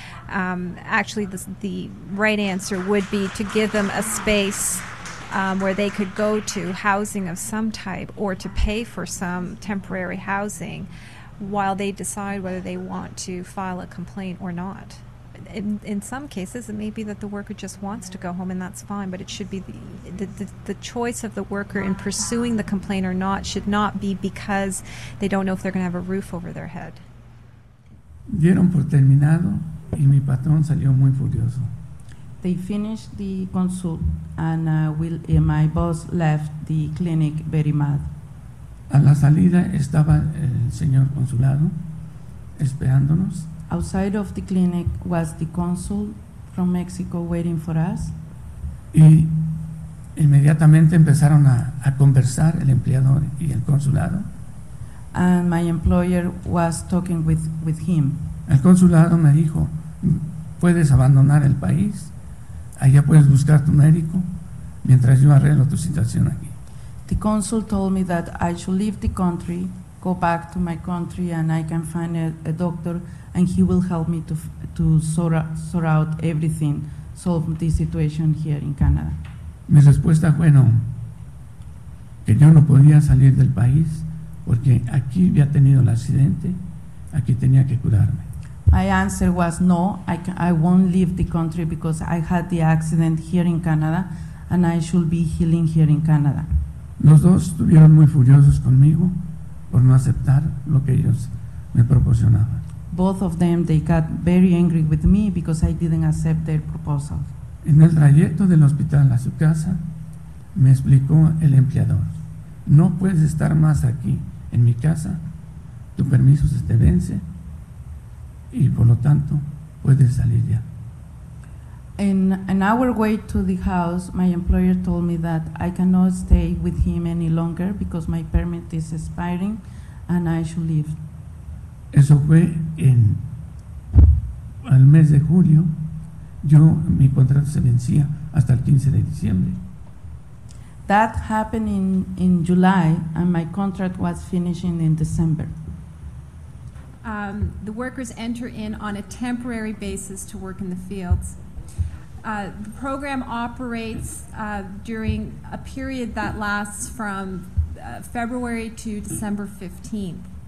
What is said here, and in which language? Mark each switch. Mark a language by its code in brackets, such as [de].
[en] Actually, the right answer would be to give them a space where they could go to housing of some type, or to pay for some temporary housing while they decide whether they want to file a complaint or not. In some cases, it may be that the worker just wants to go home, and that's fine, but it should be the choice of the worker in pursuing the complaint or not should not be because they don't know if they're going to have a roof over their head. [es] Dieron por terminado y mi patrón salió muy furioso. [en] They finished the consult, and my boss left the clinic very mad. [es] A la salida estaba el señor consulado esperándonos. [en] Outside of the clinic was the consul from Mexico waiting for us. [es] Y inmediatamente empezaron a conversar el empleado y el consulado. [en] And my employer was talking with him. [es] El consulado me dijo, puedes abandonar el país, allá puedes buscar tu médico, mientras yo arreglo tu situación aquí. [en] The consul told me that I should leave the country, go back to my country, and I can find a doctor, and he will help me to sort out everything, solve the situation here in Canada. [es] Mi respuesta fue no, que yo no podía salir del país porque aquí había tenido el accidente, aquí tenía que curarme. [en] My answer was no, I won't leave the country because I had the accident here in Canada and I should be healing here in Canada. [es] Los dos estuvieron muy furiosos conmigo por no aceptar lo que ellos me proporcionaban. [en] Both of them, they got very angry with me because I didn't accept their proposal. [es] En el trayecto del hospital a su casa, me explicó el empleador, no puedes estar más aquí en mi casa, tu permiso se te vence y por lo tanto puedes salir ya. [en] In an hour way to the house, my employer told me that I cannot stay with him any longer because my permit is expiring and I should leave. [es] Eso fue en el mes de julio. Yo, mi contrato se vencía hasta el 15 de diciembre. [en] That happened in July, and my contract was finishing in December. The workers enter in on a temporary basis to work in the fields. The program operates during a period that lasts from February to December 15th.